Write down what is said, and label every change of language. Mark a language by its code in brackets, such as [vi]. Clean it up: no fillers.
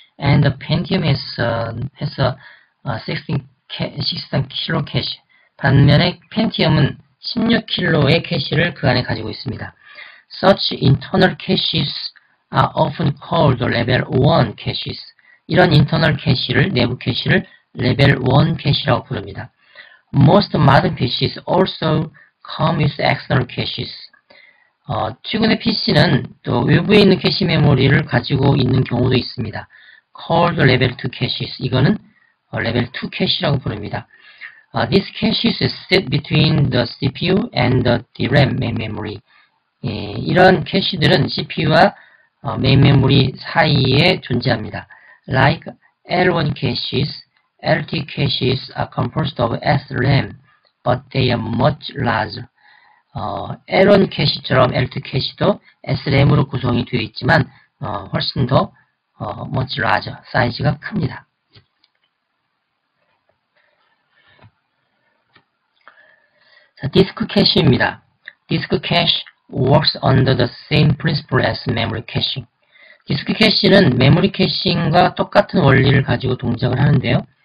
[en] And the Pentium has a 16KB 캐시. [ko] 반면에 Pentium은 16KB의 캐시를 그 안에 가지고 있습니다. [en] Such internal caches are often called level 1 caches. [ko] 이런 인터널 캐시를, 내부 캐시를 level 1 캐시라고 부릅니다. [en] Most modern PCs also come with external caches. [ko] 최근의 PC는 또 외부에 있는 캐시 메모리를 가지고 있는 경우도 있습니다. [en] Called level 2 caches. [ko] 이거는 level 2 캐시라고 부릅니다. [en] These caches sit between the CPU and the DRAM main memory. [ko] 이런 캐시들은 CPU와 main memory 사이에 존재합니다. [en] Like L1 caches, L2 caches are composed of SRAM, but they are much larger. [ko] L1 캐시처럼 L2 캐시도 SRAM으로 구성이 되어 있지만 훨씬 더 [en] much larger, [ko] 사이즈가 큽니다. 자, 디스크 캐시입니다. 디스크 캐시 [en] works under the same principle as memory caching. [ko] 디스크 캐시는 메모리 캐싱과 똑같은 원리를 가지고 동작을 하는데요.